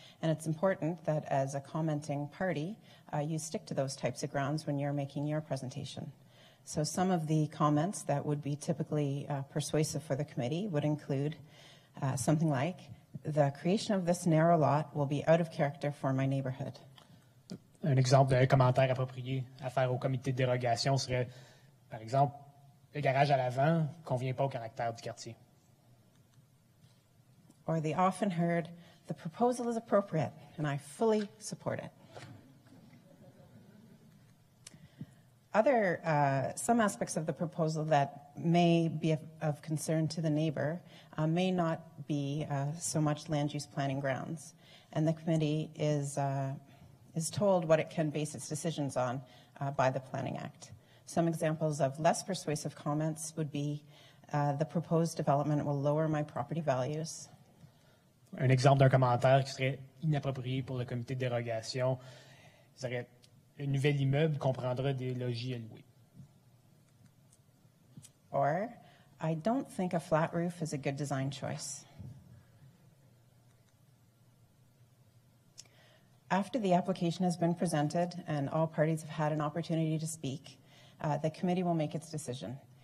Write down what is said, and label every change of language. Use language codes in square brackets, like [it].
[en] And it's important that as a commenting party, you stick to those types of grounds when you're making your presentation. So some of the comments that would be typically persuasive for the committee would include something like, the creation of this narrow lot will be out of character for my neighborhood. [fr] Un exemple d'un commentaire approprié à faire au comité de dérogation serait, par exemple, le garage à l'avant ne convient pas au caractère du quartier. [en] Or they often heard, the proposal is appropriate and I fully support it. other, some aspects of the proposal that may be of concern to the neighbor may not be so much land use planning grounds. And the committee is told what it can base its decisions on by the Planning Act. Some examples of less persuasive comments would be the proposed development will lower my property values. [fr] Un exemple d'un commentaire qui serait inapproprié pour le comité de dérogation serait un nouvel immeuble comprendrait des logis à louer. [en] Or, I don't think a flat roof is a good design choice. After the application has been presented and all parties have had an opportunity to speak, the committee will make its decision.